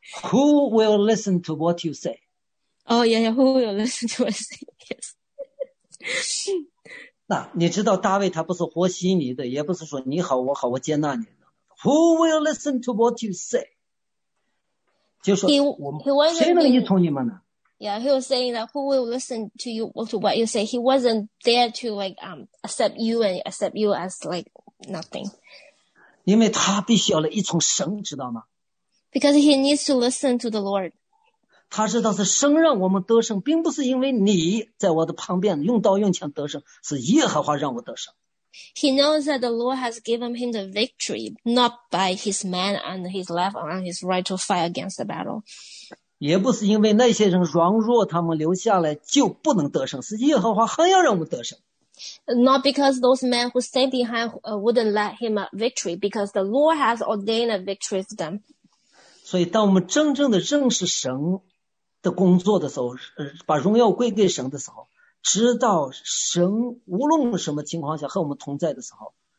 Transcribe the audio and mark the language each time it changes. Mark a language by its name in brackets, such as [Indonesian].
[English] Who will listen to what you say? Oh, yeah, who will listen to what I say? Yes. [Chinese] 那你知道大卫他不是活稀泥的，也不是说你好我好我接纳你。 [English] Who will listen to what you say? [Chinese] 就说我们谁能依从你们呢？ [English] Yeah, he was saying that who will listen to you or to what you say? He wasn't there to like accept you and accept you as like nothing. [Chinese] 因为他必须要来依从神，知道吗 [English] ？Because he needs to listen to the Lord. [Chinese] 他知道是神让我们得胜，并不是因为你在我的旁边用刀用枪得胜，是耶和华让我得胜。 [English] He knows that the Lord has given him the victory, not by his man and his left and his right to fight against the battle. [Chinese] 也不是因为那些人软弱，他们留下来就不能得胜，是耶和华还要让我们得胜。 [English] Not because those men who stay behind wouldn't let him a victory, because the Lord has ordained a victory for them. [Chinese] 所以当我们真正的认识神的工作的时候，把荣耀归给神的时候，知道神无论什么情况下和我们同在的时候，